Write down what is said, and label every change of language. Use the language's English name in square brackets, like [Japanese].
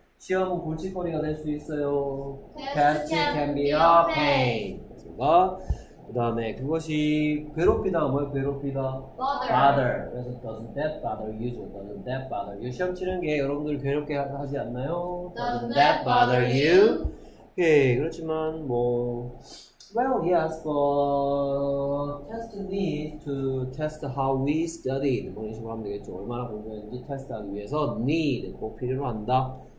[Korean] 시험은 골칫거리가 될 수 있어요. [English] Test can be a pain. [Korean] 좋습니다. 그 다음에 그것이 괴롭히다 뭐예요? 괴롭히다? [English] Bother. [Korean] 그래서 [English] doesn't that bother you? Doesn't that bother you? [Korean] 시험 치는 게 여러분들 괴롭게 하지 않나요? [English] Doesn't that bother you? [Korean] 예, 그렇지만 뭐 [English] Well, yes, but test need to test how we studied. [Korean] 뭐 이런 식으로 하면 되겠죠. 얼마나 공부했는지 테스트하기 위해서 need, 꼭 필요로 한다.